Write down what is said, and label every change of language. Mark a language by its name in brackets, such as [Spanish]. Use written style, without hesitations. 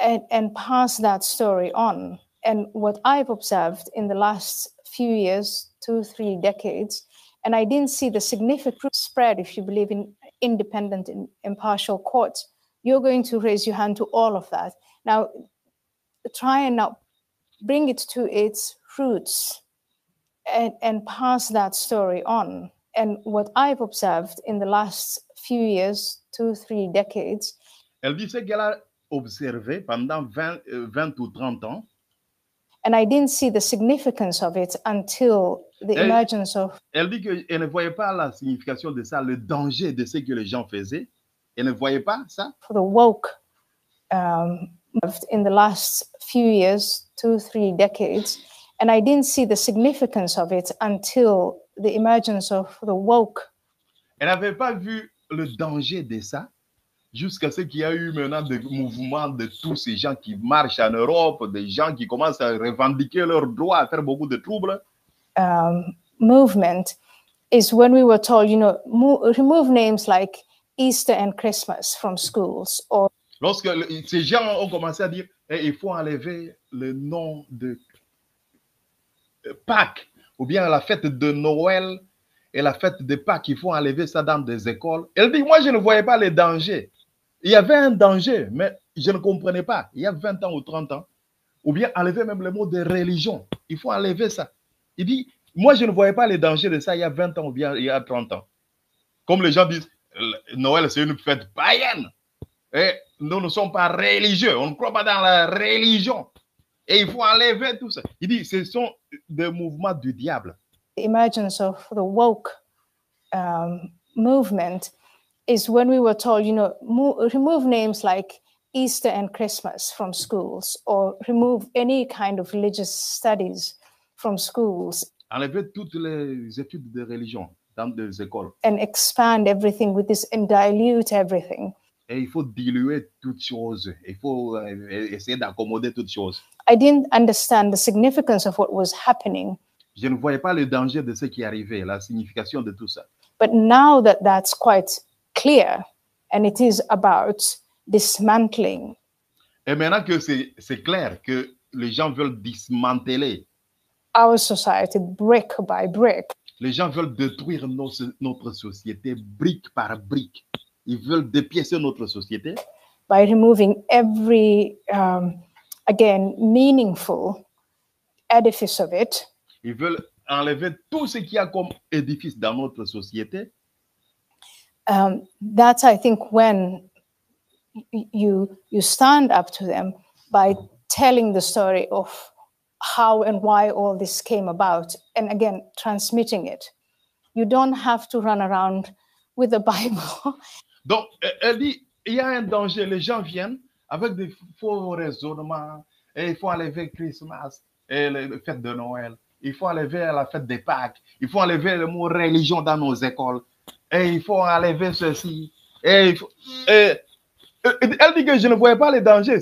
[English] and pass that story on. And what I've observed in the last few years, two, three decades, and I didn't see the significant spread, if you believe in independent and impartial courts, you're going to raise your hand to all of that. Now, try and now bring it to its roots and pass that story on. And what I've observed in the last few years, two, three decades. [French] Elle dit ce qu'elle a observé pendant 20 ou 30 ans. [English] And I didn't see the significance of it until the emergence of... [French] Elle dit qu'elle ne voyait pas la signification de ça, le danger de ce que les gens faisaient. Elle ne voyait pas ça. [English] For the woke, in the last few years, two, three decades. And I didn't see the significance of it until the emergence of the woke. [French] Elle n'avait pas vu le danger de ça. Jusqu'à ce qu'il y a eu maintenant des mouvements de tous ces gens qui marchent en Europe, des gens qui commencent à revendiquer leurs droits, à faire beaucoup de troubles. [English] Movement is when we were told, you know, remove names like Easter and Christmas from schools. Or... [French] Lorsque ces gens ont commencé à dire, hey, il faut enlever le nom de Pâques, ou bien la fête de Noël et la fête de Pâques, il faut enlever ça dans des écoles. Elle dit, moi je ne voyais pas les dangers. Il y avait un danger, mais je ne comprenais pas. Il y a 20 ans ou 30 ans, ou bien enlever même le mot de religion. Il faut enlever ça. Il dit, moi, je ne voyais pas les dangers de ça il y a 20 ans ou bien il y a 30 ans. Comme les gens disent, Noël, c'est une fête païenne. Et nous ne sommes pas religieux. On ne croit pas dans la religion. Et il faut enlever tout ça. Il dit, ce sont des mouvements du diable. [English] The emergence of the woke movement is when we were told, you know, remove names like Easter and Christmas from schools, or remove any kind of religious studies from schools. [French] Enlever toutes les études de religion dans les écoles. [English] And expand everything with this and dilute everything. [French] Et il faut diluer toutes choses. Il faut essayer d'accommoder toutes choses. [English] I didn't understand the significance of what was happening. [French] Je ne voyais pas le danger de ce qui arrivait, la signification de tout ça. [English] But now that that's quite clear, and it is about dismantling. [French] Et maintenant que c'est clair que les gens veulent dismanteler [English] our society brick by brick. [French] Les gens veulent détruire notre société brique par brique. Ils veulent dépiécer notre société. [English] By removing every again meaningful edifice of it. [French] Ils veulent enlever tout ce qu'il y a comme édifice dans notre société. [English] That's, I think, when you stand up to them by telling the story of how and why all this came about, and again, transmitting it. You don't have to run around with the Bible. [French] Donc, elle dit, il y a un danger. Les gens viennent avec des faux raisonnements. Et il faut enlever Christmas et la fête de Noël. Il faut enlever la fête des Pâques. Il faut enlever le mot religion dans nos écoles. Et il faut enlever ceci. Et il faut, elle dit que je ne voyais pas les dangers.